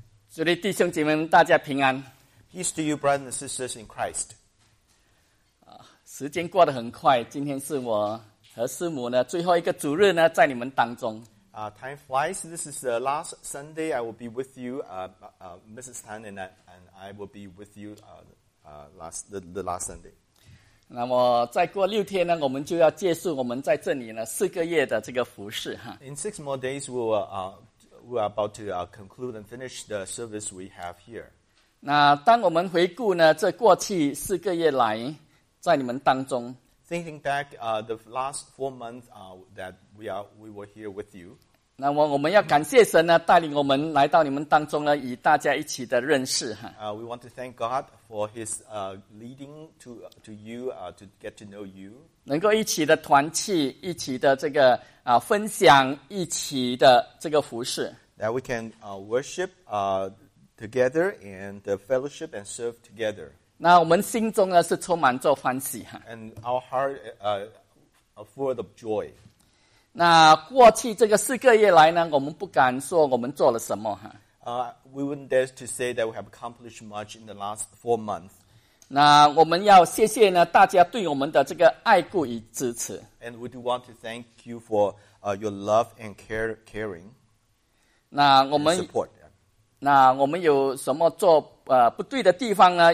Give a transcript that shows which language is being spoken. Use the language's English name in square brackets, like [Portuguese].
[Chinese] 主的弟兄姐妹们，大家平安。 [English] Peace to you, brothers and sisters in Christ. [Chinese] 时间过得很快，今天是我和师母呢最后一个主日呢，在你们当中。 [English] Time flies. This is the last Sunday I will be with you, Mrs. Tan, and I will be with you last Sunday. [Chinese] 那么再过六天呢，我们就要结束我们在这里呢四个月的这个服事哈。 [English] In six more days, we are about to conclude and finish the service we have here. [Chinese] 那当我们回顾呢，这过去四个月来，在你们当中 [English] ，thinking back, the last 4 months, that we were here with you. [Chinese] 那我们要感谢神呢，带领我们来到你们当中呢，与大家一起的认识哈。 [English] We want to thank God for His leading to you to get to know you. [Chinese] 能够一起的团契，一起的这个。分享一起的这个服事 [English] that we can worship together and fellowship and serve together. [Chinese] 那我们心中呢是充满着欢喜 [English] and our heart full of joy. [Chinese] 那过去这个四个月来呢，我们不敢说我们做了什么 [English] We wouldn't dare to say that we have accomplished much in the last 4 months. [Chinese] 那我们要谢谢呢，大家对我们的这个爱顾与支持。 [English] And we do want to thank you for your love and caring. [Chinese] 那我们 [English] and support. [Chinese] 那我们有什么做不对的地方呢？